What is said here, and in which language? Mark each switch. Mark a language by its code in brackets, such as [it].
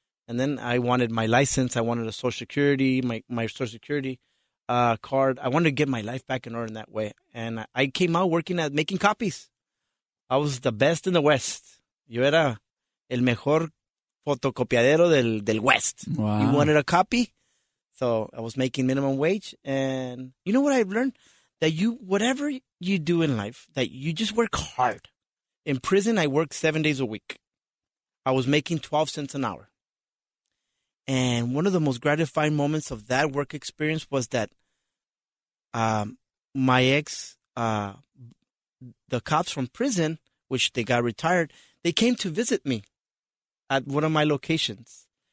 [en] And then I wanted my license. I wanted a social security, my social security card. I wanted to get my life back in order in that way. And I came out working at making copies. I was the best in the West. [es] Yo era el mejor fotocopiadero del West. [en] Wow. You wanted a copy? So I was making minimum wage. And you know what I've learned? That you, whatever you do in life, that you just work hard. In prison, I worked 7 days a week. I was making 12 cents an hour. And one of the most gratifying moments of that work experience was that my ex, the cops from prison, which they got retired, they came to visit me at one of my locations.